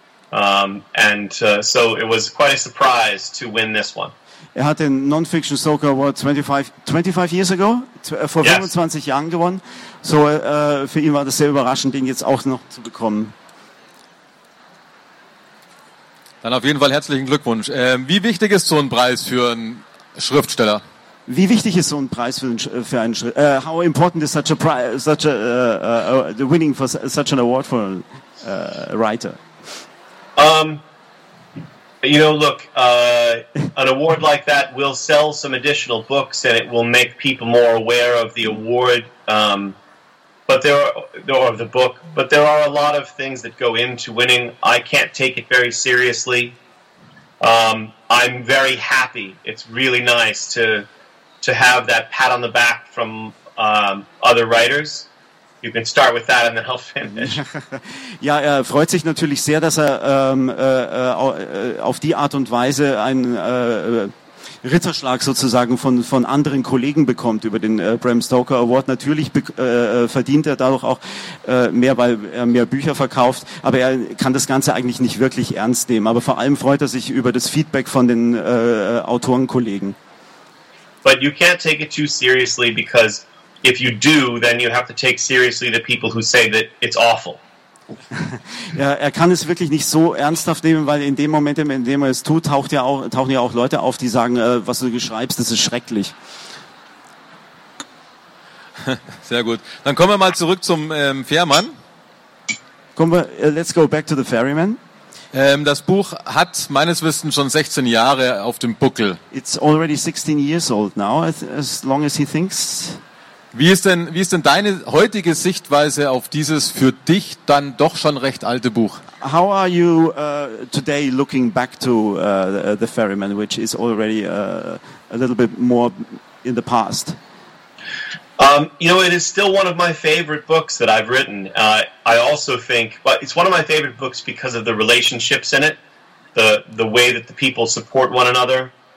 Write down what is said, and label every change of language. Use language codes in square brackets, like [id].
[en] So it was quite a surprise to win this one. [de] Er hat den Non-Fiction Stoker Award [en] 25 years ago, [de] vor 25 Jahren gewonnen. So für ihn war das sehr überraschend, den jetzt auch noch zu bekommen. Dann auf jeden Fall herzlichen Glückwunsch. Wie wichtig ist so ein Preis für einen Schriftsteller? Wie wichtig ist so ein Preis für einen Schritt? [en] How important is such a prize, such a the winning for such an award for a writer? You know, look, an award like that will sell some additional books, and it will make people more aware of the award. But there are a lot of things that go into winning. I can't take it very seriously. I'm very happy. It's really nice to have that pat on the back from other writers. You can start with that and then I'll finish. [de] Ja, er freut sich natürlich sehr, dass er auf die Art und Weise einen Ritterschlag sozusagen von anderen Kollegen bekommt über den Bram Stoker Award. Natürlich verdient er dadurch auch mehr, weil er mehr Bücher verkauft, aber er kann das Ganze eigentlich nicht wirklich ernst nehmen. Aber vor allem freut er sich über das Feedback von den Autorenkollegen. [en] But you can't take it too seriously, because if you do, then you have to take seriously the people who say that it's awful. [de] Ja, er kann es wirklich nicht so ernsthaft nehmen, weil in dem Moment, in dem er es tut, tauchen ja auch Leute auf, die sagen, was du schreibst, das ist schrecklich. Sehr gut. Dann kommen wir mal zurück zum Fährmann. [en] Let's go back to the ferryman. [de] Das Buch hat meines Wissens schon 16 Jahre auf dem Buckel. [en] It's already 16 years old now, as long as he thinks. [de] Wie ist denn deine heutige Sichtweise auf dieses für dich dann doch schon recht alte Buch? [en] How are you today looking back to The Ferryman, which is already a little bit more in the past? You know, it is still one of my favorite books that I've written. I also think, but it's one of my favorite books because of the relationships in it, the way that the people support one another.